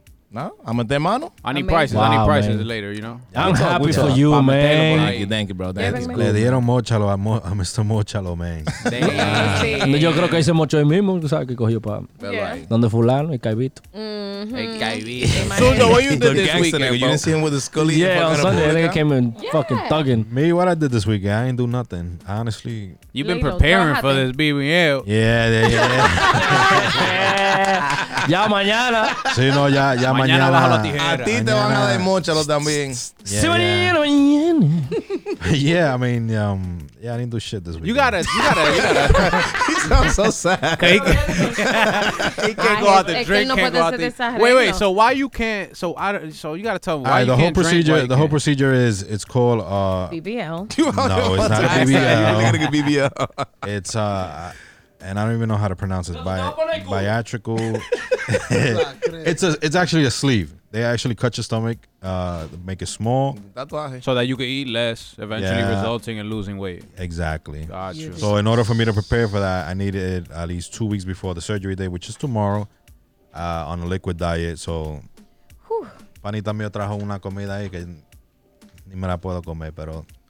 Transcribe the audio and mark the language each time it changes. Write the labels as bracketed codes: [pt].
[en] No, I'm a de mano. I need prices. Wow, I need prices man. Later, you know. I'm happy for you, man. Thank you, bro. Thank you. [es] Le dieron mochalo a Mr. Mochalo, man. Sí. Yo creo que hice mocho ahí mismo, tú sabes que cogió para donde fulano y caibito. El caibito. [en] So, what you did this weekend, bro? You didn't see him with the scully? Yeah, on Sunday, they came in fucking thugging. Me, what I did this weekend, I ain't do nothing. Honestly. You've been preparing for this BBL. Yeah. [es] Ya mañana. Sí, no, ya mañana. A ti te van a dar mochalo también. Sí, mañana. [en] Yeah, I mean, I didn't do shit this week. You gotta. He sounds so sad. He can't go out to drink. Can't go out to. Wait. So why you can't? So you gotta tell me why. The whole procedure. The whole procedure is it's called BBL. No, it's not BBL. You gotta get BBL. It's and I don't even know how to pronounce it. Biatrical. It's actually a sleeve. They actually cut your stomach, make it small. So that you can eat less, eventually resulting in losing weight. Exactly. Gotcha. So in order for me to prepare for that, I needed at least 2 weeks before the surgery day, which is tomorrow, on a liquid diet. [es] So, panita mío trajo una comida ahí que ni me la puedo comer, pero...